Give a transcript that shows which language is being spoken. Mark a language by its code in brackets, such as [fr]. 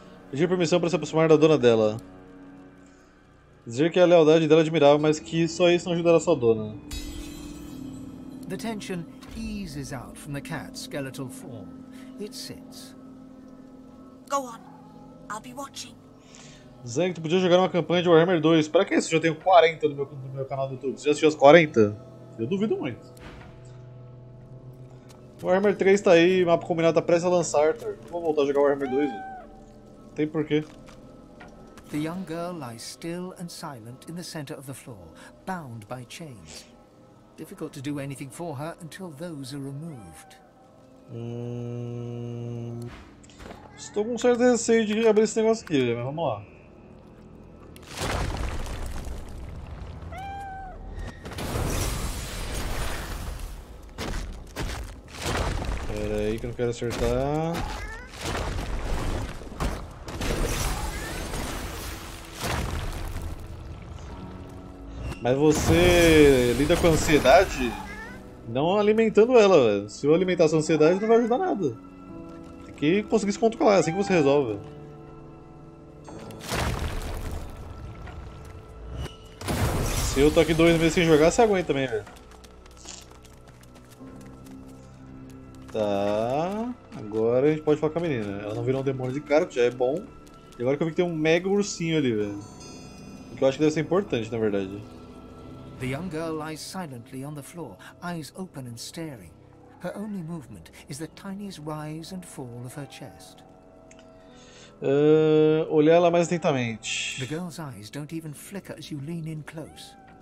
[pt] Pedir permissão para se aproximar da dona dela. Dizer que a lealdade dela é admirável, mas que só isso não ajudará a sua dona. [en] The tension eases out from the cat's skeletal form. It sits. Go on. I'll be watching. [pt] Zhang, tu podia jogar uma campanha de Warhammer 2. Para que isso? Já tenho 40 no meu canal do YouTube. Você já assistiu as 40? Eu duvido muito. Warhammer 3 tá aí, mapa combinado, tá prestes a lançar, Arthur. Não vou voltar a jogar Warhammer 2. Não tem porquê. [en] The young girl lies still and silent in the center of the floor, bound by chains. Difficult to do anything for her until those are removed. [pt] Estou com um certo receio de abrir esse negócio aqui, mas vamos lá. Pera aí que eu não quero acertar. Mas você lida com a ansiedade? Não alimentando ela, velho. Se eu alimentar essa ansiedade, não vai ajudar nada. Tem que conseguir se controlar, é assim que você resolve. Se eu tô aqui 2 meses sem jogar, você aguenta também, velho. Tá, agora a gente pode falar com a menina. Ela não virou um demônio de cara, que já é bom. E agora que eu vi que tem um mega ursinho ali, velho. Que eu acho que deve ser importante, na verdade. [en] The young girl lies silently on the floor, eyes open and staring. Her only movement is the tiniest rise and fall of her chest. [pt] Olhar ela mais atentamente. [en] The girl's eyes don't even flicker as you lean in close.